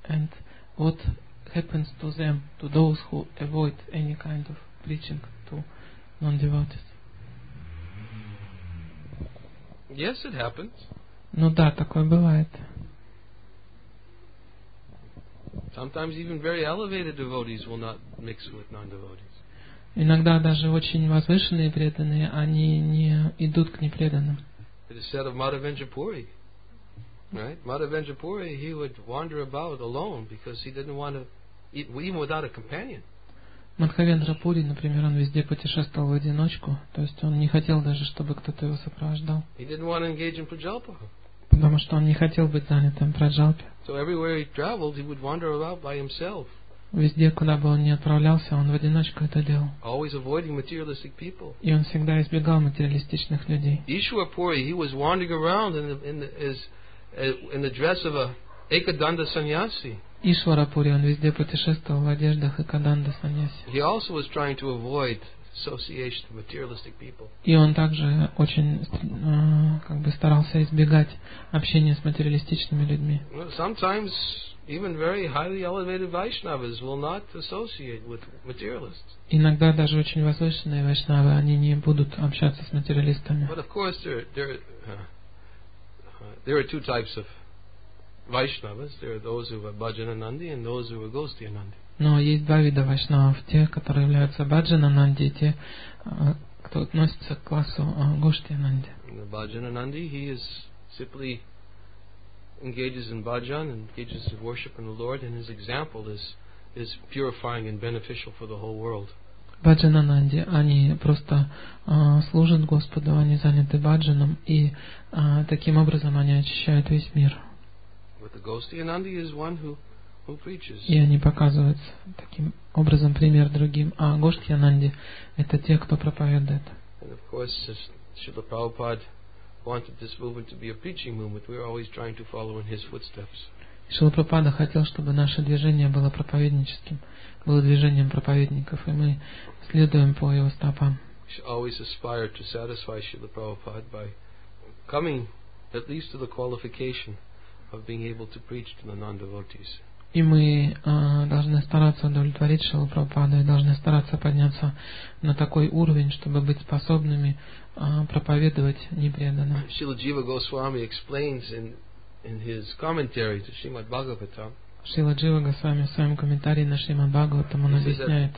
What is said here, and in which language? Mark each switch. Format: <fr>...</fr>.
<en>And what happens to them, to those who avoid any kind of preaching to non-devotees? Yes, it happens.</en> <ru>Ну да, такое бывает.</ru> <en>Sometimes even very elevated devotees will not mix with non-devotees.</en> <ru>Иногда даже очень возвышенные преданные, они не идут к непреданным.</ru> <en>It is said of Madhavendra Puri, right? Madhavendra Puri, he would wander about alone because he didn't want to eat even without a companion.</en> <ru>Манхавендра Пури, например, он везде путешествовал в одиночку, то есть он не хотел даже, чтобы кто-то его сопровождал.</ru> <en>He didn't want to engage in prajalpa.</en> <ru>Потому что он не хотел быть занятым праджалпе.</ru> <en>So everywhere he traveled, he would wander about by himself.</en> <ru>Везде, куда бы он ни отправлялся, он в одиночку это делал.</ru> <en>Always avoiding materialistic people.</en> <ru>И он всегда избегал материалистичных людей.</ru> <en>Ишва Пури, he was wandering around in the dress of a Ekadanda sannyasi.</en> <ru>Ишвара Пури, он везде путешествовал в одеждах Экаданда Саньяси.</ru> <en>He also was trying to avoid association with materialistic people.</en> <ru>И он также очень как бы старался избегать общения с материалистичными людьми.</ru> <en>Sometimes even very highly elevated Vaishnavas will not associate with materialists.</en> <ru>Иногда даже очень возвышенные вайшнавы, они не будут общаться с материалистами.</ru> <en>But of course there are two types of Vaishnavas. There are those who are Bhajananandi and those who are Gostiyanandi.</en> <ru>Но есть два вида вайшнавов. Те, которые являются Бхаджананди, и те, кто относится к классу Гоштиананди.</ru> <en>Бхаджананди, he is simply engages in bhajan, engages in worship in the Lord, and his example is purifying and beneficial for the whole world.</en> <ru>Бхаджананди, они просто служат Господу, они заняты бхаджаном, и таким образом они очищают весь мир.</ru> <en>But the Gostiyananda is one who preaches.</en> <ru>И они показывают таким образом пример другим. А Гоштхиананди — это те, кто проповедует.</ru> <en>And of course, Srila Prabhupada wanted this movement to be a preaching movement. We are always trying to follow in his footsteps.</en> <ru>Srila Prabhupada хотел, чтобы наше движение было проповедническим, было движением проповедников, и мы следуем по его стопам.</ru> <en>We should always aspire to satisfy Srila Prabhupada by coming at least to the qualification of being able to preach to the non-devotees.</en> <ru>И мы должны стараться удовлетворить Шрилу Прабхупаду и должны стараться подняться на такой уровень, чтобы быть способными проповедовать непреданным.</ru> <en>Шрила Джива Госвами explains in his commentary to Shrimad Bhagavatam.</en> <ru>Шрила Джива Госвами в своем комментарии на Шримад Бхагаватам он объясняет.</ru>